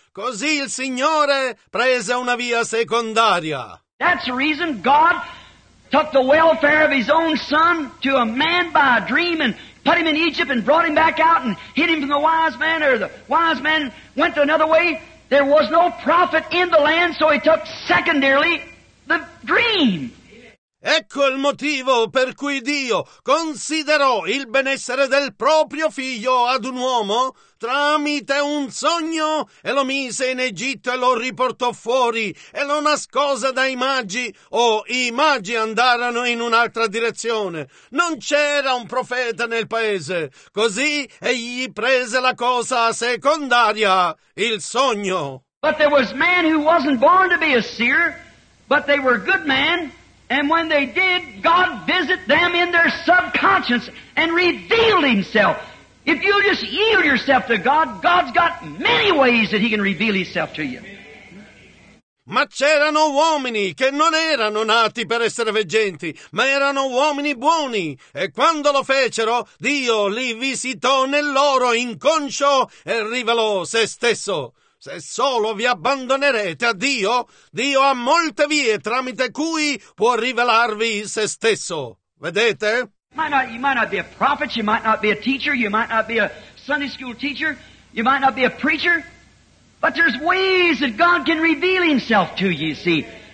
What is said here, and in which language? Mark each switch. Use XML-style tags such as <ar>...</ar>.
<it>Così il Signore prese una via secondaria.</it> <en>That's the reason God took the welfare of his own son to a man by a dream and put him in Egypt and brought him back out and hid him from the wise man, or the wise man went another way. There was no prophet in the land, so he took secondarily the dream.</en> <it>Ecco il motivo per cui Dio considerò il benessere del proprio figlio ad un uomo tramite un sogno e lo mise in Egitto e lo riportò fuori e lo nascose dai magi o i magi andarono in un'altra direzione. Non c'era un profeta nel paese, così egli prese la cosa secondaria, il sogno.</it> <en>But there was man who wasn't born to be a seer, but they were good men. And when they did, God visited them in their subconscious and revealed himself. If you just yield yourself to God, God's got many ways that He can reveal Himself to you.</en> <it>Ma c'erano uomini che non erano nati per essere veggenti, ma erano uomini buoni, e quando lo fecero, Dio li visitò nel loro inconscio e rivelò se stesso. Se solo vi abbandonerete a Dio, Dio ha molte vie tramite cui può rivelarvi se stesso. Vedete?</it> <en>You might not be a prophet, you might not be a teacher, you might not be a Sunday school teacher, you might not be a preacher. But there's ways that God can reveal Himself to you, see.</en>